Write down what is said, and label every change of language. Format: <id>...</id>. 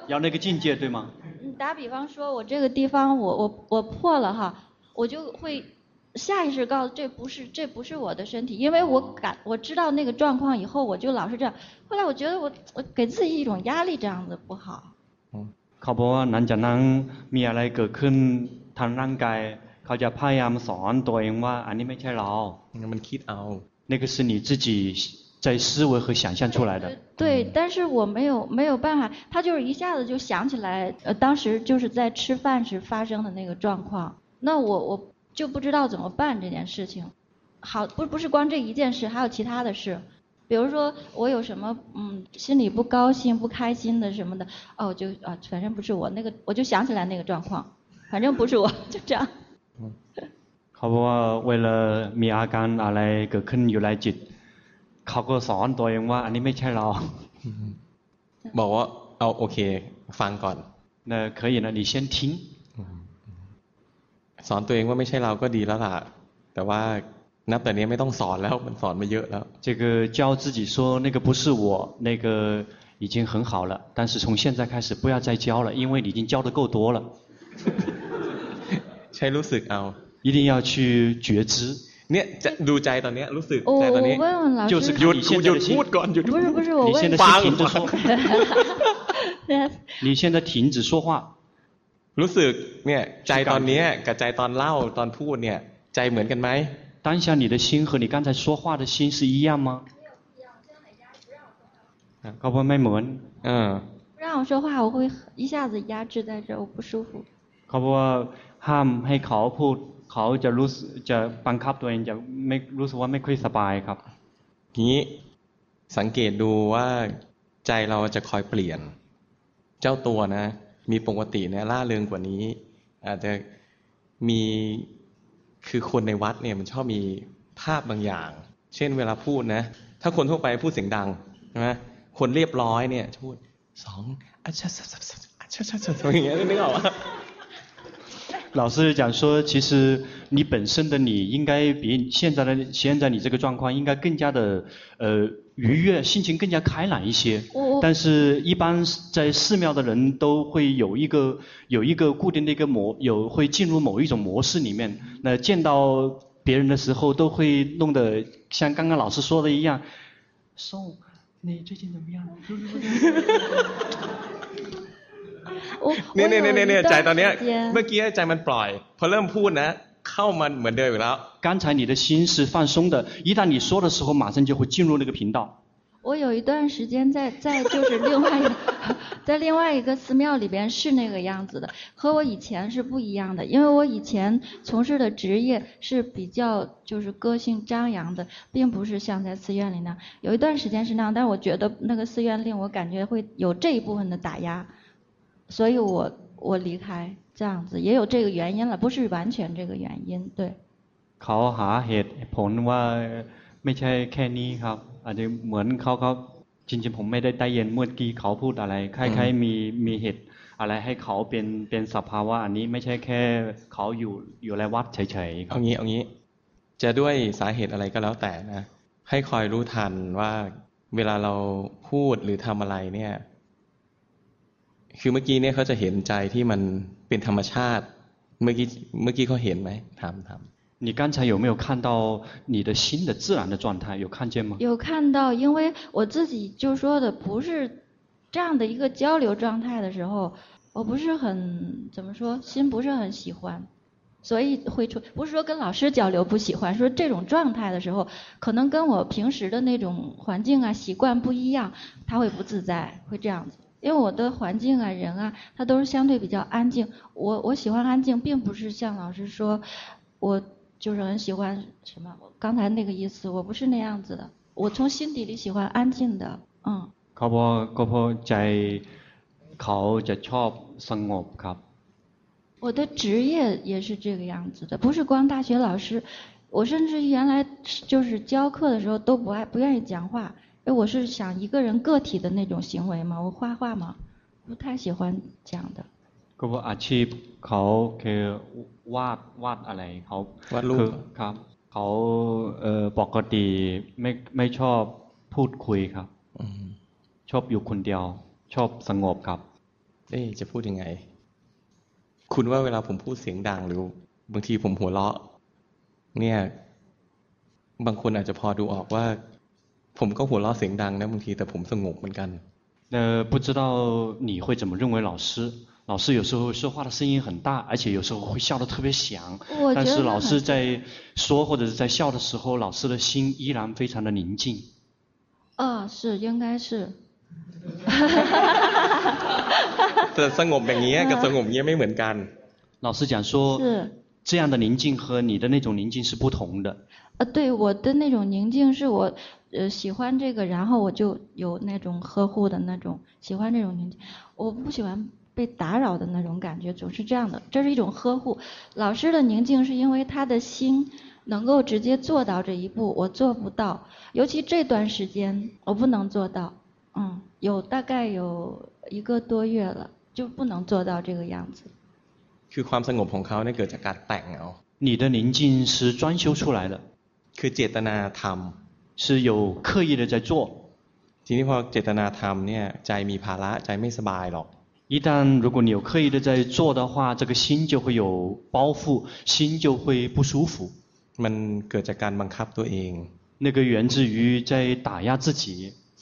<zh>要那个境界对吗打比方说我这个地方我破了哈我就会下意识告诉这不是我的身体因为我知道那个状况以后我就老是这样后来我觉得我给自己一种压力这样子不好</zh> <th>เขาบอกว่าหลังจากนั้นมีอะไรเกิดขึ้นทางร่างกายเขาจะพยายามสอนตัวเองว่าอันนี้ไม่ใช่เรามันคิดเอา</th> <zh>那个是你自己在思维和想象出来的。对，但是我没有办法，他就是一下子就想起来，当时就是在吃饭时发生的那个状况，那我就不知道怎么办这件事情。好，不是光这一件事，还有其他的事，比如说我有什么心里不高兴、不开心的什么的，哦，就啊，反正不是我那个，我就想起来那个状况，反正不是我，就这样。好不好？为了米阿甘拿来个坑又来接。</zh> <th>เขาก็สอนตัวเองว่าอันนี้ไม่ใช่เรา บอกว่าเอาโอเคฟังก่อน นะเคยนะดิเช่นทิ้ง สอนตัวเองว่าไม่ใช่เราก็ดีแล้วล่ะแต่ว่านับแต่นี้ไม่ต้องสอนแล้วมันสอนมาเยอะแล้ว</th> <zh>这个教自己说那个不是我那个已经很好了但是从现在开始不要再教了因为你已经教的够多了</zh> <th>ใช่รู้สึกเอา</th> <zh>一定要去觉知</zh> <th>เนี่ยจะดูใจตอนนี้รู้สึกใจตอนนี้</th> <zh>我问老师就是</zh> <th>หยุดหยุดพูดก่อนหยุด พูด</th> <zh>不是我问你现在停止说你现在停止说话</zh> <th>รู้สึกเนี่ยใจตอนนี้กับใจตอนเล่าตอนพูดเนี่ยใจเหมือนกันไหม</th> <zh>当下你的心和你刚才说话的心是一样吗</zh> <th>ก็ว่าไม่เหมือน</th> <zh>อ让我说话我会一下子压制在这我不舒服</zh> <th>ก็ว่าห้ามให้เขาพูดเขาจะรู้สึกจะบังคับตัวเองจะไม่รู้สึกว่าไม่ค่อยสบายครับ นี้สังเกตดูว่าใจเราจะคอยเปลี่ยนเจ้าตัวนะมีปกติเนี่ยล่าเริงกว่านี้อาจจะมีคือคนในวัดเนี่ยมันชอบมีภาพบางอย่างเช่นเวลาพูดนะถ้าคนทั่วไปพูดเสียงดังใช่ไหมคนเรียบร้อยเนี่ยพูดสองอาชาชาชาอาชาชาชาอย่างเงี้ยนึกออกไหม</th> <zh>老师讲说其实你本身的你应该比现在你这个状况应该更加的愉悦心情更加开朗一些但是一般在寺庙的人都会有一个固定的一个模有会进入某一种模式里面那见到别人的时候都会弄得像刚刚老师说的一样宋你最近怎么样</zh> <th>เนี่ยเนี่ยใจตอนนี้เมื่อกี้ใจมันปล่อยพอเริ่มพูดนะเข้ามันเหมือนเดิมอีกแล้ว</th> <zh>刚才你的心是放松的一旦你说的时候马上就会进入那个频道我有一段时间在就是另外一个寺庙里边是那个样子的和我以前是不一样的因为我以前从事的职业是比较就是个性张扬的并不是像在寺院里那样有一段时间是那样但是我觉得那个寺院令我感觉会有这一部分的打压所以我离开这样子也有这个原因了不是完全这个原因对</zh> <th>เขาหาเหตุผลว่าไม่ใช่แค่นี้ครับอาจจะเหมือนเขาจริงๆผมไม่ได้ได้ยินเมื่อกี้เขาพูดอะไรคล้ายๆมีเหตุอะไรให้เขาเป็นสภาวะอันนี้ไม่ใช่แค่เขาอยู่ในวัดเฉยๆ เอางี้จะด้วยสาเหตุอะไรก็แล้วแต่นะให้คอยรู้ทันว่าเวลาเราพูดหรือทำอะไรเนี่ยคือเมื่อกี้เนี่ยเขาจะเห็นใจที่มันเป็นธรรมชาติเมื่อกี้เขาเห็นไหมทำ</th> <zh>你刚才有没有看到你的心的自然的状态有看见吗有看到因为我自己就说的不是这样的一个交流状态的时候我不是很怎么说心不是很喜欢所以会出不是说跟老师交流不喜欢说这种状态的时候可能跟我平时的那种环境啊习惯不一样他会不自在会这样子因为我的环境啊人啊它都是相对比较安静我喜欢安静并不是像老师说我就是很喜欢什么我刚才那个意思我不是那样子的我从心底里喜欢安静的</zh> <th>เขาบอกก็เพราะใจเขาจะชอบสงบครับ</th> <zh>我的职业也是这个样子的不是光大学老师我甚至原来就是教课的时候都不愿意讲话哎，我是想一个人个体的那种行为嘛，我画画嘛，不太喜欢讲的。</zh> <th>ก็ว่าอาชีพเขาคือวาดอะไรเขา วาดรูป ครับเขาปกติไม่ชอบพูดคุยครับชอบอยู่คนเดียวชอบสงบครับ เอ๊ะจะพูดยังไงคุณว่าเวลาผมพูดเสียงดังหรือบางทีผมหัวเราะเนี่ยบางคนอาจจะพอดูออกว่าผมก็หัวเราะเสียงดังนะบางทีแต่ผมสงบเหมือนกัน</th> <zh>不知道你会怎么认为老师有时候说话的声音很大而且有时候会笑得特别响但是老师在说或者是在笑的时候老师的心依然非常的宁静啊，是，应该是。</zh> <th>哈哈哈哈哈哈！这สงบอย่างนี้กับ</th> <zh>老师讲说，这样的宁静和你的那种宁静是不同的。对，我的那种宁静是我喜欢这个，然后我就有那种呵护的那种，喜欢这种宁静。我不喜欢被打扰的那种感觉，总是这样的，这是一种呵护。老师的宁静是因为他的心能够直接做到这一步，我做不到，尤其这段时间我不能做到。嗯，有大概有一个多月了，就不能做到这个样子。</zh> <th>คือความสงบของเขาเนี่ยเกิดจากการแต่งเอา</th> <zh>你的宁静是专修出来的。</zh> <th>คือเจตนาธรรม</th> <zh>是有刻意的在做。</zh> <th>ทีนี้พอเจตนาธรรมเนี่ยใจมีภาระใจไม่สบายหรอก</th> <zh>一旦如果你有刻意的在做的话，这个心就会有包袱，心就会不舒服。</zh> <th>มันเกิดจากการบังคับตัวเอง</th> <zh>那个源自于在打压自己。</zh>